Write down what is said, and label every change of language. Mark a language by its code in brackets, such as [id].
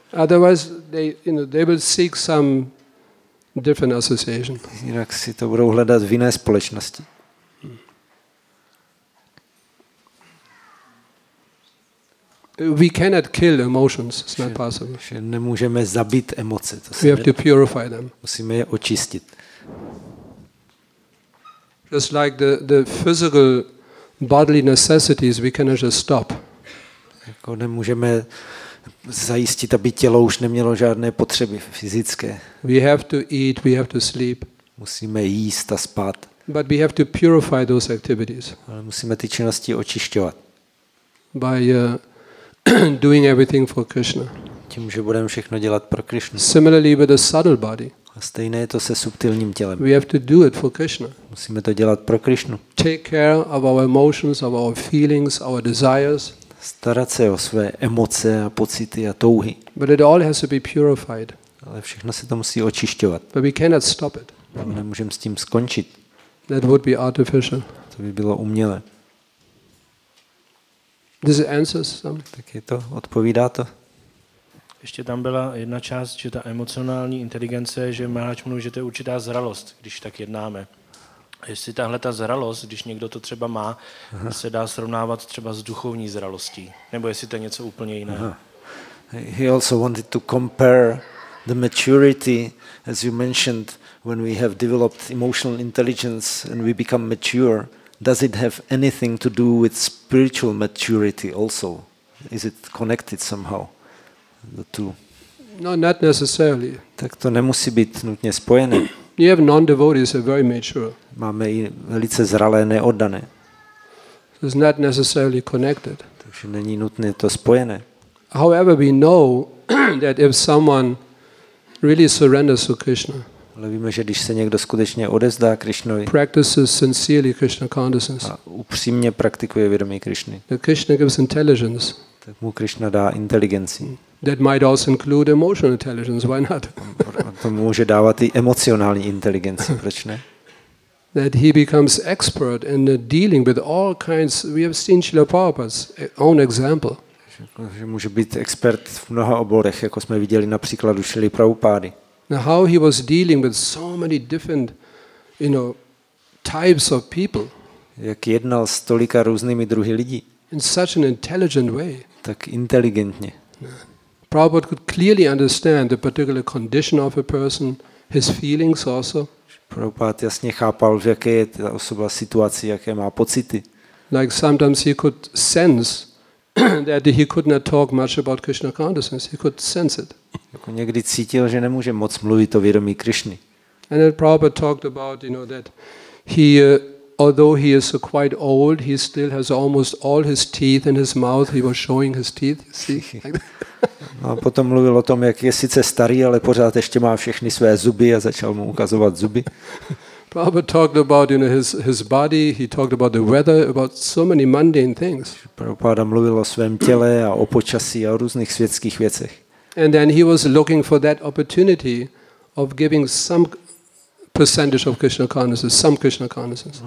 [en] Otherwise, they will seek some different association. [cs] Jinak si to budou hledat v jiné společnosti. [en] We cannot kill emotions. It's not possible. [cs] Že nemůžeme zabít emoce. To [en] we have to purify them. [cs] Musíme je očistit. [en] Just like the physical bodily necessities, we cannot just stop. [cs] Jako nemůžeme zajistit, aby tělo už nemělo žádné potřeby fyzické. [en] We have to eat. We have to sleep. [cs] Musíme jíst a spát. [en] But we have to purify those activities. [cs] Ale musíme ty činnosti očišťovat. [en] By doing everything for Krishna. [cs] Tím, že budeme všechno dělat pro Krishnu. [en] Similarly with the subtle body. [cs] A stejné je to se subtilním tělem. [en] We have to do it for Krishna. [cs] Musíme to dělat pro Krishnu. [en] Take care of our emotions, of our feelings, our desires. [cs] Starat se o své emoce a pocity a touhy. [en] But it all has to be purified. [cs] Ale všechno se to musí očišťovat. [en] But we cannot stop it. [cs] Nemůžeme s tím skončit. [en] That would be artificial. [cs] To by bylo umělé. [en] This answers some. [cs] Tak je to, odpovídá to. Ještě tam byla jedna část, že ta emocionální inteligence, že Maharaj mluví, že to je určitá zralost, když tak jednáme. Jestli tahle ta zralost, když někdo to třeba má, aha, se dá srovnávat třeba s duchovní zralostí, nebo jestli to je něco úplně jiného. [en] He also wanted to compare the maturity, as you mentioned, when we have developed emotional intelligence and we become mature. Does it have anything to do with spiritual maturity also? Is it connected somehow, the two? No, not necessarily. [cs] Tak to nemusí být nutně spojené. [en] You have non-devotees who are very mature. [cs] Máme i velice zralé neoddané. [en] It's not necessarily connected. [cs] Takže není nutné to spojené. [en] However, we know that if someone really surrenders to Krishna, [cs] ale víme, že když se někdo skutečně odezdá Krishnovi, [en] practices sincerely Krishna consciousness, [cs] a upřímně praktikuje vědomí Krishny, [en] that Krishna gives intelligence, [cs] tak mu Krishna dá inteligenci. [en] That might also include emotional intelligence. Why not? [cs] To může dávat i emocionální inteligenci, proč ne? [en] That he becomes expert in dealing with all kinds. We have seen Srila Prabhupada's own example. [cs] Že může být expert v mnoha oborech, jako jsme viděli například u Srily Prabhupády. [en] How he was dealing with so many different, you know, types of people. [cs] Jak jednal s tolika různými druhy lidí. [en] In such an intelligent way. [cs] Tak inteligentně. [en] Prabhupada could clearly understand the particular condition of a person, his feelings also. [cs] Prabhupád jasně chápal, v jaké je ta osoba situaci, jaké má pocity. [en] Like sometimes he could sense that he could not talk much about Krishna consciousness. He could sense it. [cs] Jako někdy cítil, že nemůže moc mluvit o vědomí Krishny. [en] And then Prabhupada talked about, you know, that he, although he is quite old, he still has almost all his teeth in his mouth. He was showing his teeth. See? [cs] No a potom mluvil o tom, jak je sice starý, ale pořád ještě má všechny své zuby a začal mu ukazovat zuby. [en] Prabhupada talked about, you know, his body, he talked about the weather, about so many mundane things. [cs] Prabhupada mluvil o svém těle a o počasí a o různých světských věcech. [en] And then he was looking for that opportunity of giving some percentage of Krishna consciousness, some Krishna consciousness.